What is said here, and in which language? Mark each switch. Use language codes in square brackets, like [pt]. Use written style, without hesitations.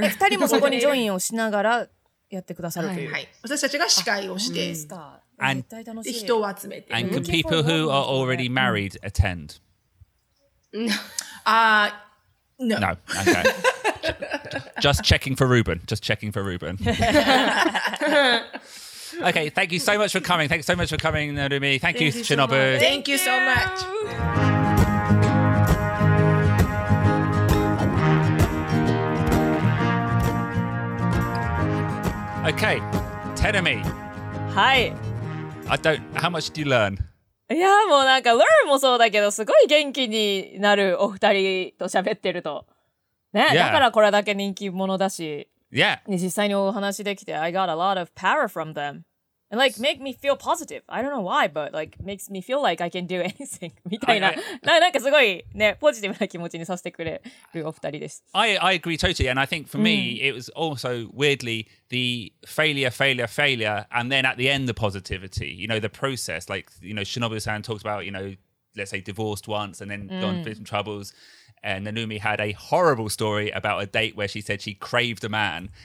[ja] 2人もそこにジョインをしながらやってくださるという。はい。私たちが司会をして、で人を集めて。 [en] And can people who are already married attend? No. No. Okay. Just checking for Ruben. Okay. Thank you so much for coming. Thanks so much for coming, Narumi. Thank you, Shinobu. Thank you so much. Okay, Tenami. Hi. How much did you learn? [ja] Yeah, もうなんか learn もそうだけど、すごい元気になるお二人と喋ってると。ね、だからこれだけ人気者だし。 [en] Yeah. [ja] 実際にお話できて、 [en] I got a lot of power from them. And like, make me feel positive. I don't know why, but like, makes me feel like I can do anything. [ja] みたいな。なんかすごいね、ポジティブな気持ちにさせてくれるお二人です。 [en] I agree totally. And I think for me, it was also weirdly... the failure, and then at the end, the positivity, you know, the process, like, you know, Shinobu-san talks about, you know, let's say divorced once and then gone through some troubles. And Narumi had a horrible story about a date where she said she craved a man.